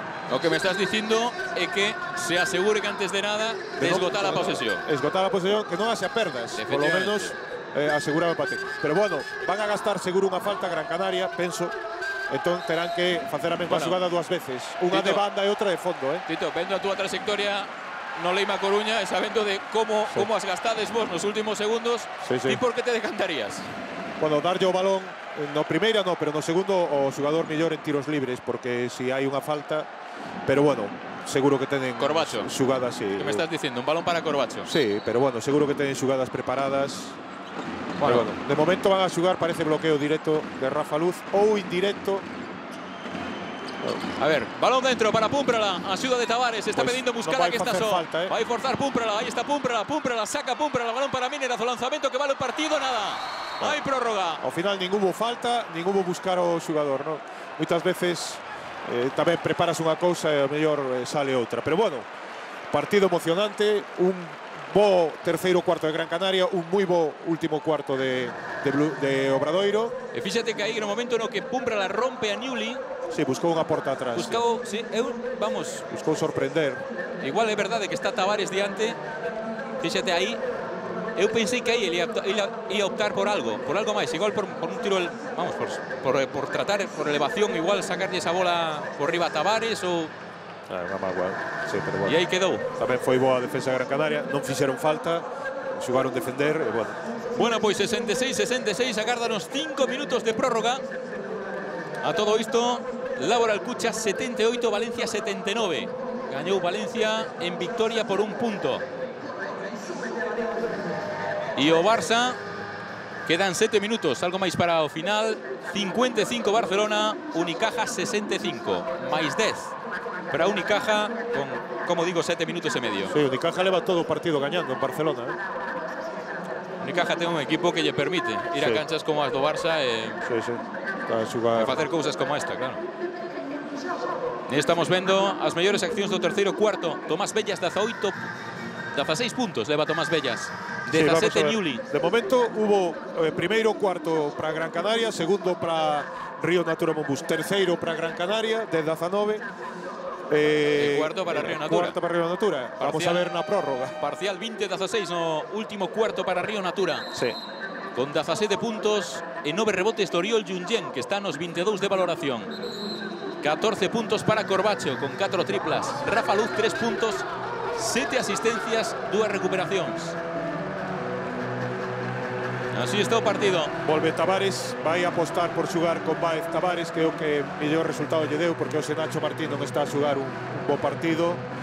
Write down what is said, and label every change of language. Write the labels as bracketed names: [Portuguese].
[Spanish] Lo que me estás diciendo es que se asegure que antes de nada esgotar la posesión. Esgotar la posesión, que no haya perdas. Por lo menos asegurar el partido. Pero bueno, van a gastar seguro una falta Gran Canaria, pienso. [Galician] Entón, terán que facer a mesma xugada dúas veces. Unha de banda e outra de fondo, eh? Tito, vendo a túa trayectoria no Leima Coruña e sabendo de como as gastades vos nos últimos segundos, ti por que te decantarías? Bueno, darlle o balón, no primeira no, pero no segundo, o xugador mellor en tiros libres, porque si hai unha falta, pero bueno, seguro que tenen xugadas. Que me estás dicendo, un balón para Corbacho. Sí, pero bueno, seguro que tenen xugadas preparadas. Bueno, de momento van a xugar, parece bloqueo directo de Rafa Luz, ou indirecto. A ver, balón dentro para Púmprela, a xuda de Tavares, está pedindo Muscala que está só. Vai forzar Púmprela, aí está Púmprela, Púmprela, saca Púmprela, balón para Minerazo, lanzamento que vale o partido, nada. Hai prórroga. Ao final, ningún hubo falta, ningún hubo buscar o xugador. Moitas veces tamén preparas unha cousa e o mellor sale outra. Pero bueno, partido emocionante, un bo terceiro cuarto de Gran Canaria, un moi bo último cuarto de Obradoiro. E fíxate que aí, no momento no que Púmprela rompe a Newly. Sí, buscou unha porta atrás. Buscou, sí, vamos. Buscou sorprender. Igual é verdade que está Tavares diante, fíxate aí. Eu pensei que aí ele ia optar por algo máis. Igual por un tiro, vamos, por tratar, por elevación, igual sacarlle esa bola por riba a Tavares ou... Ah, unha má igual, sí, pero bueno. E aí quedou. Tamén foi boa a defensa de Gran Canaria, non fixeron falta, xugaron defender e bueno. Bueno, pois 66-66, agárdanos 5 minutos de prórroga. A todo isto, Laboral Cucha 78, Valencia 79. Gañou Valencia en victoria por un punto. E o Barça, quedan 7 minutos, algo máis para o final. 55 Barcelona, Unicaja 65, máis 10. Para Unicaja, con, como digo, 7 minutos e medio. Sí, Unicaja leva todo o partido gañando en Barcelona. Unicaja ten un equipo que lle permite ir a canchas como as do Barça e... Sí, sí. E facer cousas como esta, claro. E estamos vendo as mellores accións do terceiro cuarto. Tomás Bellas, 18... 16 puntos leva Tomás Bellas. 17 Newly. De momento, hubo primeiro cuarto para Gran Canaria, segundo para Río Natura Mombús, terceiro para Gran Canaria, de 19. Cuarto para Río Natura. Cuarto para Río Natura. Parcial, vamos a ver na prórroga. Parcial 20-16, no último cuarto para Río Natura. Sí. Con 17 puntos e 9 rebotes de Oriol Junyen, que está nos 22 de valoración. 14 puntos para Corbacho, con 4 triplas. Rafa Luz, 3 puntos, 7 asistencias, 2 recuperacións. Así está o partido. Volve Tavares, vai apostar por xugar con Baez Tavares, creo que mellor resultado lle deu, porque hoxe Nacho Martín non está a xugar un bo partido.